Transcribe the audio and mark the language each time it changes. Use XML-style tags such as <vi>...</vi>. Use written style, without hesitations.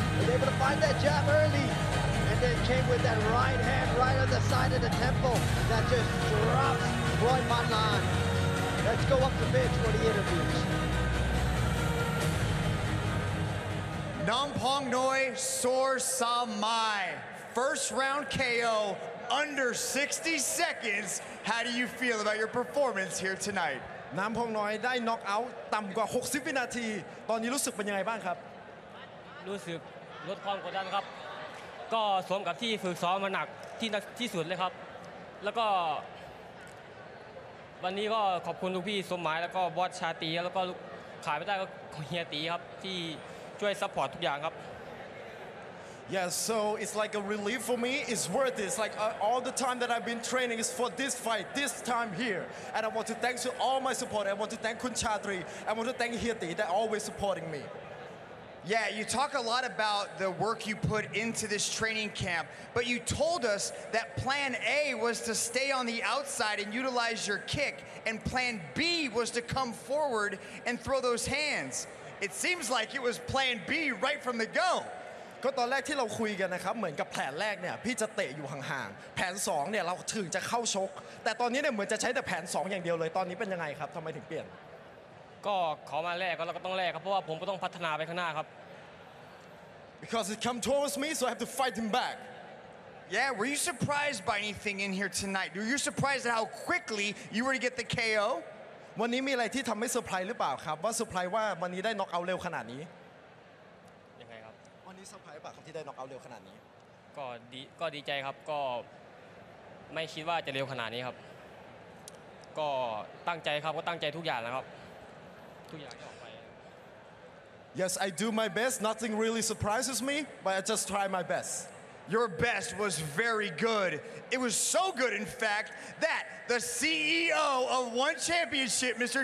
<en>They were able to find that jab early. And then came with that right hand right on the side of the temple that just drops Ploypanlan. Let's go up the bench for the interviews. Namphongnoi Sommai. First round KO, under 60 seconds. How do you feel about your performance here tonight?</en> <th>Namphongnoi ได้ knock out ต่ำกว่า60วินาทีตอนนี้รู้สึกเป็นยังไงบ้างครับ รู้สึกลดความกดดันครับก็สมกับที่ฝึกซ้อมมาหนักที่สุดเลยครับแล้วก็วันนี้ก็ขอบคุณทุกพี่สมหมายแล้วก็บอสชาตีแล้วก็ขายไม่ได้ก็เฮียตีครับที่ช่วยซัพพอร์ตทุกอย่างครับ</th> <en>Yeah, so it's like a relief for me. It's worth it. It's like all the time that I've been training is for this fight, this time here. And I want to thank to all my support. I want to thank Khun Chatri. I want to thank Hirti. They're always supporting me. Yeah, you talk a lot about the work you put into this training camp, but you told us that plan A was to stay on the outside and utilize your kick, and plan B was to come forward and throw those hands. It seems like it was plan B right from the go.</en> <th>ก็ตอนแรกที่เราคุยกันนะครับเหมือนกับแผนแรกเนี่ยพี่จะเตะอยู่ห่างๆแผน2เนี่ยเราถึงจะเข้าชกแต่ตอนนี้เนี่ยเหมือนจะใช้แต่แผน2อย่างเดียวเลยตอนนี้เป็นยังไงครับทำไมถึงเปลี่ยน ก็ขอมาแรกก็เราก็ต้องแรกครับเพราะว่าผมก็ต้องพัฒนาไปข้างหน้าครับ</th> <en>Because it come towards me so I have to fight him back Yeah were you surprised by anything in here tonight were you surprised at how quickly you were to get the KO</en> <th>วันนี้มีอะไรที่ทำให้เซอร์ไพรส์หรือเปล่าครับว่าเซอร์ไพรส์ว่าวันนี้ได้น็อกเอาท์เร็วขนาดนี้ที่เซอร์ไพรส์ป่ะครับที่ได้น็อกเอาท์เร็วขนาดนี้ก็ดีใจครับก็ไม่คิดว่าจะเร็วขนาดนี้ครับก็ตั้งใจครับก็ตั้งใจทุกอย่างนะครับทุกอย่างที่ออกไป</th> <en>Yes I do my best nothing really surprises me but I just try my best Your best was very good it was so good in fact that the CEO of ONE Championship Mr.</en>